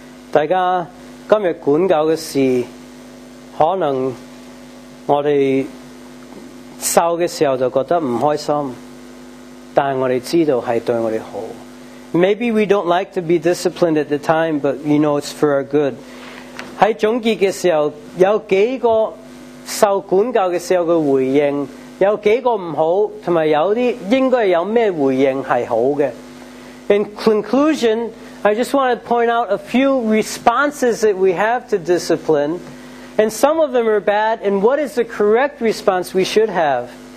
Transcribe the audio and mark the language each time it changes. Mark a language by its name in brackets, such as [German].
[Chinese] 大家, 今天管教的事,可能我们收的时候就觉得不开心,但我们知道是对我们好。 [English] Maybe we don't like to be disciplined at the time, but you know it's for our good. [Chinese] 在总结的时候,有几个受管教的时候的回应,有几个不好,还有些应该有什么回应是好的。 [English] In conclusion, I just want to point out a few responses that we have to discipline, and some of them are bad, and what is the correct response we should have?